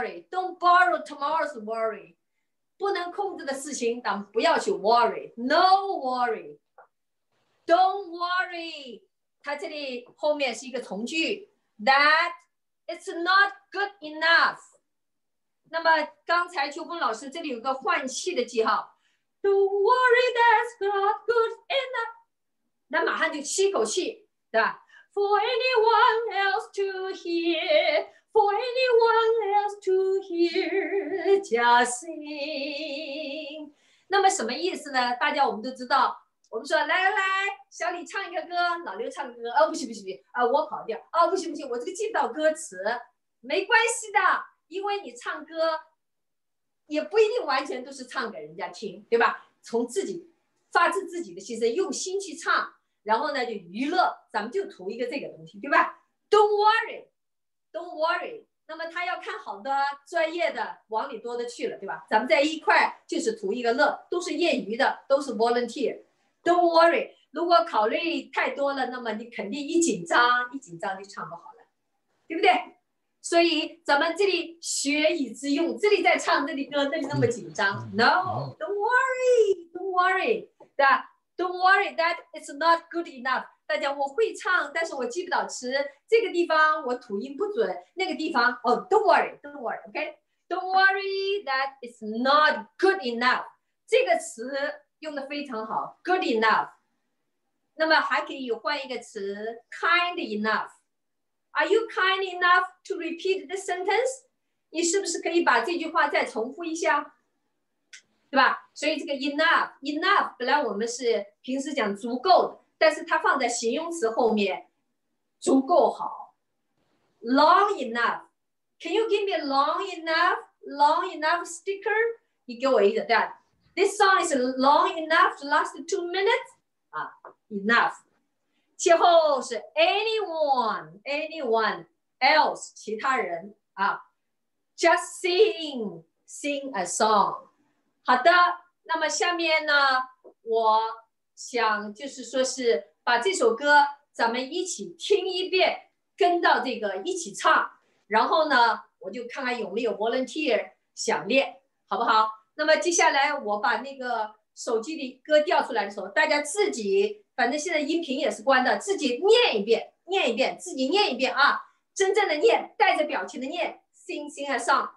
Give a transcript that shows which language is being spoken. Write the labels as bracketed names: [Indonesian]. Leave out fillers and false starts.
[English] Don't borrow tomorrow's worry. [Chinese] 不能控制的事情咱们不要去 worry， no worry， don't worry。它这里后面是一个从句， [English] that it's not good enough. [Chinese] 那么刚才秋风老师这里有个换气的记号。 [English] Don't worry, that's not good enough. [Chinese] 那马上就吸口气，对吧？ [English] For anyone else to hear, for anyone else to hear, just sing. [Chinese] 那么什么意思呢？大家我们都知道。我们说来来来，小李唱一个歌，老刘唱个歌。哦，不行不行不行，啊，我跑调。哦，不行不行，我这个进到歌词，没关系的，因为你唱歌，也不一定完全都是唱给人家听，对吧？从自己发自自己的心声，用心去唱，然后呢就娱乐，咱们就图一个这个东西，对吧 ？ Don't worry, don't worry。那么他要看好的专业的往里多的去了，对吧？咱们在一块就是图一个乐，都是业余的，都是 volunteer。 Don't worry, 如果考虑太多了，那么你肯定一紧张，一紧张就唱不好了，对不对？所以咱们这里学以致用，这里在唱，这里歌，这里那么紧张。 [English] No, don't worry, don't worry, 对吧？ Don't worry that it's not good enough. [Chinese] 大家，我会唱，但是我记不到词，这个地方我吐音不准，那个地方，哦， don't worry, don't worry, OK? [English] Don't worry that it's not good enough. [Chinese] 这个词用的非常好 ，good enough。那么还可以换一个词 ，kind enough。 [English] Are you kind enough to repeat the sentence？ [Chinese] 你是不是可以把这句话再重复一下？对吧？所以这个 enough 本来我们是平时讲足够的，但是它放在形容词后面，足够好。 [English] Long enough。 Can you give me long enough？ [Chinese] Long enough sticker？你给我一个，对吧？ [English] This song is long enough to last 2 minutes. Enough. [Chinese] 其后是 anyone else, 其他人啊、 just sing a song. 好的，那么下面呢，我想就是说是把这首歌咱们一起听一遍，跟到这个一起唱，然后呢，我就看看有没有 volunteer 想练，好不好？那么接下来我把那个手机的歌调出来的时候，大家自己反正现在音频也是关的，自己念一遍，念一遍，自己念一遍啊，真正的念，带着表情的念 ， sing a song。